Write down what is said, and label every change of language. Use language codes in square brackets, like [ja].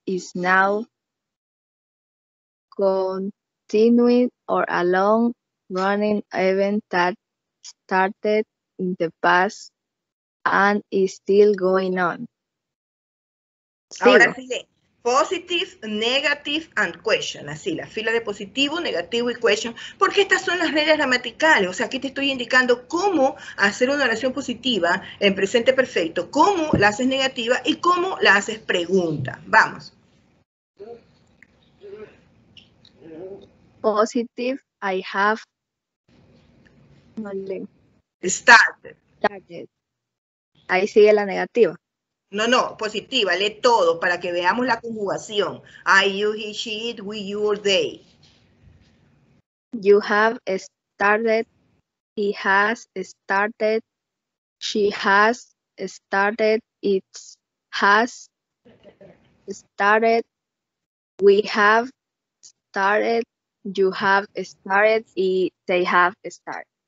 [en] is now continuing or a long running event that started in the past and is still going on. [es] Sigo. Ahora sigue. [en] Positive, negative, and question. [es] Así, la fila de positivo, negativo y question. Porque estas son las reglas gramaticales. O sea, aquí te estoy indicando cómo hacer una oración positiva en presente perfecto, cómo la haces negativa y cómo la haces pregunta. Vamos. [en] Positive, I have started. [es] Ahí sigue la negativa. No, no, positiva, lee todo para que veamos la conjugación. [en] I, you, he, she, it, we, you, or they. You have started, he has started, she has started, it has started, we have started, you have started, y they have started.